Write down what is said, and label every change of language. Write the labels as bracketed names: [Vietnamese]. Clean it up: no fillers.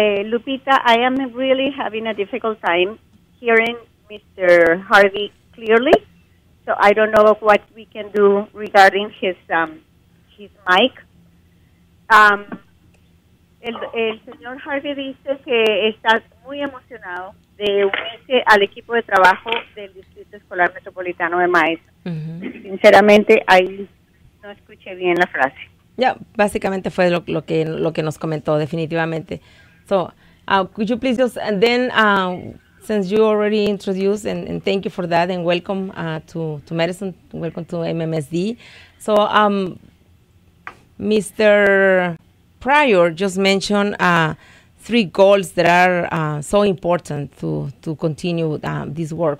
[English] Lupita, I am really having a difficult time hearing Mr. Harvey clearly. So I don't know what we can do regarding his mic. [Spanish] El señor Harvey dice que está muy emocionado de unirse al equipo de trabajo del Distrito Escolar Metropolitano de Maestros. Uh-huh. Sinceramente, ahí no escuché bien la frase. Ya, básicamente fue lo que nos comentó, definitivamente. [English] So, could you please just, and then, since you already introduced, and thank you for that, and welcome to Medicine, welcome to MMSD. So, Mr. Pryor just mentioned three goals that are so important to continue this work.